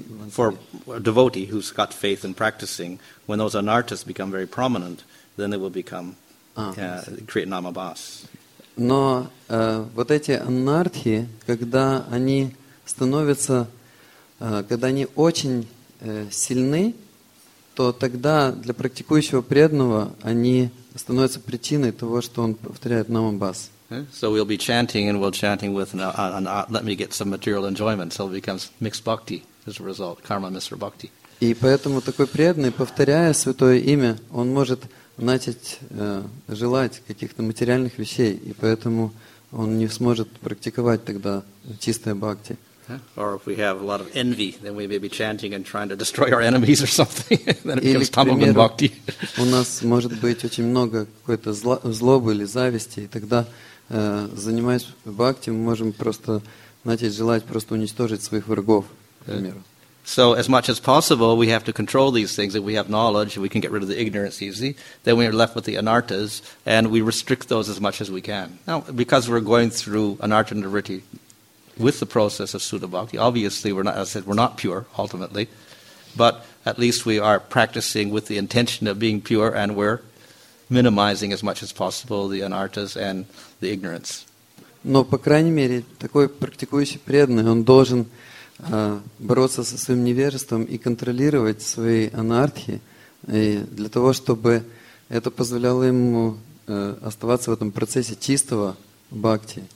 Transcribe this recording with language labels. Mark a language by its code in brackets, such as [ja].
[en] for a devotee who's got faith in practicing, when those anarthas become very prominent, then they will become create namabhas. [ru] Но вот эти анартхи, когда они становятся, когда они очень сильны, то тогда для практикующего преданного они становятся причиной того, что он повторяет намабас. [en] So we'll be chanting and we'll chanting with let me get some material enjoyment, so it becomes mixed bhakti as a result, karma mixed bhakti. [ru] И поэтому такой преданный, повторяя святое имя, он может начать желать каких-то материальных вещей, и поэтому он не сможет практиковать тогда чистое бхакти. [en] Or if we have a lot of envy, then we may be chanting and trying to destroy our enemies or something. Then it becomes tamogun bhakti. [ru] У нас может быть очень много какой-то злобы или зависти, и тогда, занимаясь бхакти, мы можем просто начать желать просто уничтожить своих врагов, к примеру. [en] So as much as possible, we have to control these things. If we have knowledge, we can get rid of the ignorance easy. Then we are left with the anarthas, and we restrict those as much as we can. Now, because we're going through anartha nirvritti with the process of Sudha Bhakti, obviously, we're not, as I said, we're not pure, ultimately. But at least we are practicing with the intention of being pure, and we're minimizing as much as possible the anarthas and the ignorance. [ru] Но, по крайней мере, такой практикующий преданный, он должен бороться со своим невежеством и контролировать свои анартхи для того, чтобы это позволяло ему оставаться в этом процессе чистого бхакти.